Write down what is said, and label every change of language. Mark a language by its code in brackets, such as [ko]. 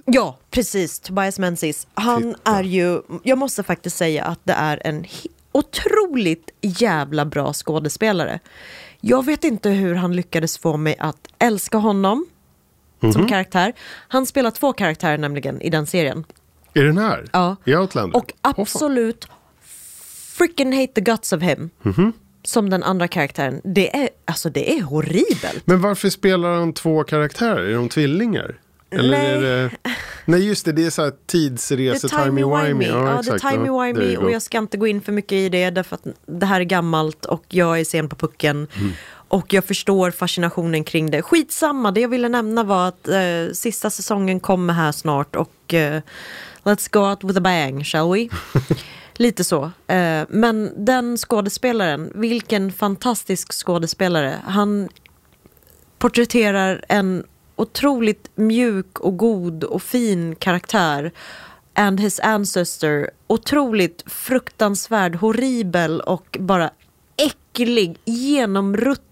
[sv] Ja, precis. Tobias Menzies. Han är ju... Jag måste faktiskt säga att det är en otroligt jävla bra skådespelare. Jag vet inte hur han lyckades få mig att älska honom som karaktär. Han spelar två karaktärer nämligen i den serien. Är den här? Ja. I Outlander? Och absolut [en] freaking hate the guts of him. [sv] Mm-hmm. Som den andra karaktären. Det är, alltså det är horribelt. Men varför spelar han två karaktärer? Är de tvillingar? Eller nej. Nej, just det. Det är så här tidsresa. The timey-wimey. Ja, det är timey-wimey. Och jag ska inte gå in för mycket i det. Därför att det här är gammalt. Och jag är sen på pucken. Och jag förstår fascinationen kring det. Skitsamma. Det jag ville nämna var att sista säsongen kommer här snart. Och [en] let's go out with a bang, shall we? [sv] Lite så. Men den skådespelaren, vilken fantastisk skådespelare. Han porträtterar en otroligt mjuk och god och fin karaktär. [en] And his ancestor. [sv] Otroligt fruktansvärd, horribel och bara äcklig, genomrutt.